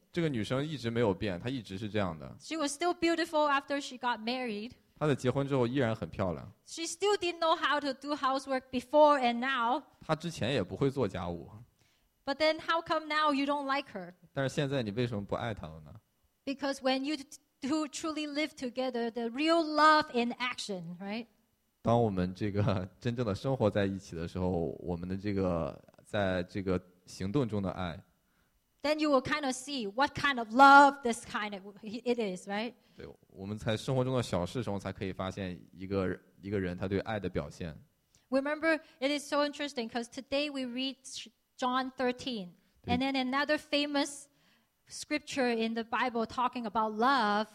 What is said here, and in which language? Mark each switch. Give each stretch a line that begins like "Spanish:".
Chinese: 这个女生一直没有变，她一直是这样的。
English: She was still beautiful after she got married.
Chinese: 她的结婚之后依然很漂亮。
English: She still didn't know how to do housework before and now.
Chinese: 她之前也不会做家务。
English: But then how come now you don't like her?
Chinese: 但是现在你为什么不爱她了呢？
English: Because when you two truly live together, the real love in action, right?
Chinese: 当我们这个真正的生活在一起的时候，我们的这个在这个行动中的爱。
English: Then you will kind of see what kind of love this kind of it is, right?
Chinese: 对，我们在生活中的小事中才可以发现一个人他对爱的表现。
English: Remember, it is so interesting because today we read John 13, and then another famous scripture in the Bible talking about love.